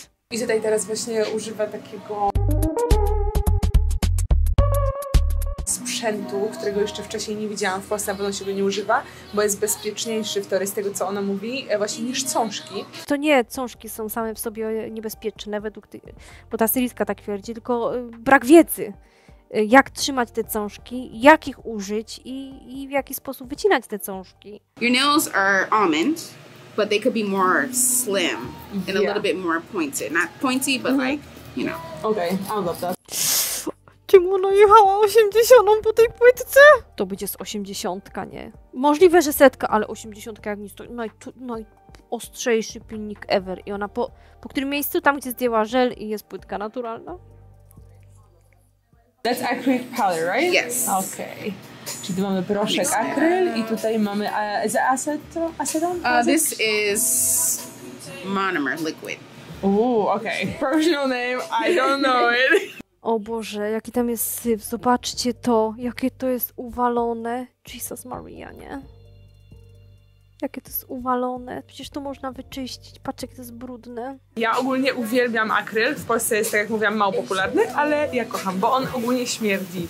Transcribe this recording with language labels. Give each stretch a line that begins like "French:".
Polish: I tutaj teraz właśnie używa takiego sprzętu, którego jeszcze wcześniej nie widziałam w Polsce, bo on się go nie używa, bo jest bezpieczniejszy w teorii z tego, co ona mówi, właśnie niż cążki. To nie cążki są same w sobie niebezpieczne, według tej, bo ta stylistka tak twierdzi, tylko brak wiedzy. Jak trzymać te cążki, jak ich użyć i w jaki sposób wycinać te cążki.
English: Your nails are almond, but they could be more slim and a little bit more pointed. Not pointy, but like, you know. Okay, I love that.
Polish: Czemu ona jechała 80 po tej płytce? To będzie z 80, nie? Możliwe, że setka, ale 80 jak nic, to najostrzejszy pilnik ever. I ona po którym miejscu, tam gdzie zdjęła żel i jest płytka naturalna?
English: That's acrylic powder, right? Yes. Okay.
Polish: Czyli tu mamy proszek akryl i tutaj mamy...
English: is it acetone? This is monomer liquid. Ooh, okay. Professional name, I don't know it.
Polish: O Boże, jaki tam jest syf. Zobaczcie to, jakie to jest uwalone. Jesus Maria, nie? Jakie to jest uwalone. Przecież to można wyczyścić. Patrz, jak to jest brudne. Ja ogólnie uwielbiam akryl. W Polsce jest, tak jak mówiłam, mało popularny, ale ja kocham, bo on ogólnie śmierdzi.